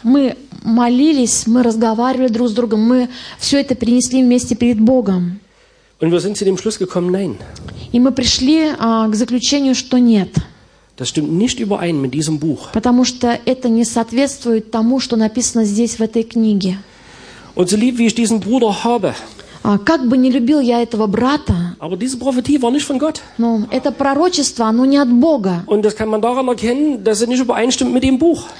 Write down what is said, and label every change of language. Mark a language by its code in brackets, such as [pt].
[ru] Мы молились, мы разговаривали друг с другом, мы все это принесли вместе перед Богом. [de] Und wir sind zu dem Schluss gekommen, nein. [ru] И мы пришли к заключению, что нет. [de] Das stimmt nicht überein mit diesem Buch. [ru] Потому что это не соответствует тому, что написано здесь в этой книге. [de] Und so lieb wie ich diesen Bruder habe. [ru] Как бы не любил я этого брата, [de] aber diese Prophetie war nicht von Gott. [ru] Но это пророчество, оно не от Бога. [de] Und das kann man daran erkennen, dass es nicht übereinstimmt mit dem Buch.